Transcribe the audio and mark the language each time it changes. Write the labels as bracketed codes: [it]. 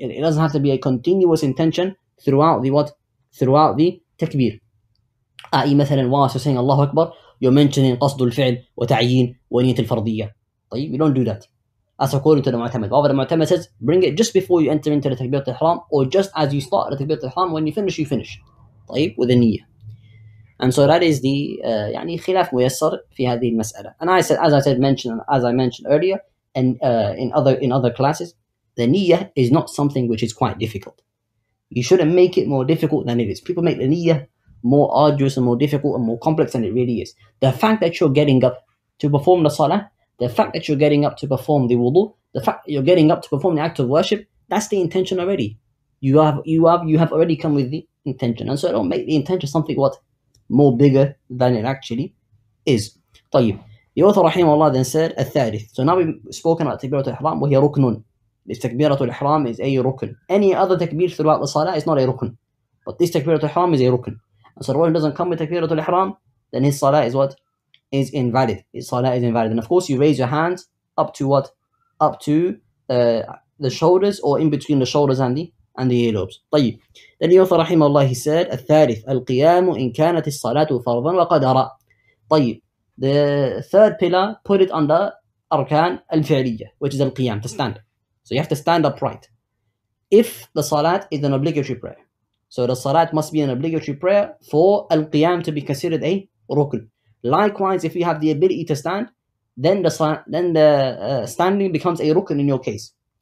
[en] It doesn't have to be a continuous intention throughout the what? Throughout the takbir. I.e. مثلا, whilst you're saying Allahu Akbar, you're mentioning [ar] قصد الفعل وتعيين ونية الفرضية. [en] طيب, you don't do that. As according to the mu'tamad. However, the mu'tamad says, bring it just before you enter into the takbirat al-ihram, or just as you start the takbirat al-ihram, when you finish, you finish. طيب, with a niyyah. And so that is the [ar] يعني خلاف ميسر في هذه المسألة. [en] And I said, as I mentioned earlier, and in other classes, the niyyah is not something which is quite difficult. You shouldn't make it more difficult than it is. People make the niyyah more arduous and more difficult and more complex than it really is. The fact that you're getting up to perform the salah, the fact that you're getting up to perform the wudu, the fact that you're getting up to perform the act of worship, that's the intention already. You have already come with the intention. And so don't make the intention something what? More bigger than it actually is. طيب, the author rahimahullah then said, الثالث. So now we've spoken about takbirat al-ihram, [ar] وهي ركنون. [en] This takbirat al-ihram is a rukn. Any other takbir throughout the salah is not a rukn. But this takbirat al-ihram is a rukn. And so the one who doesn't come with takbirat al-ihram, then his salah is what? Is invalid. His salah is invalid. And of course, you raise your hands up to what? Up to the shoulders, or in between the shoulders and the earlobes. [ar] طيب. [en] Then the author rahimahullah, he said, [ar] الثالث, القيام إن كانت الصلاة فرضا وقدرا. طيب. [en] The third pillar, put it under أركان الفعلية, which is القيام, to stand. So you have to stand upright. If the salat is an obligatory prayer. So the salat must be an obligatory prayer for al-qiyam to be considered a rukn. Likewise, if you have the ability to stand, then the standing becomes a rukn in your case.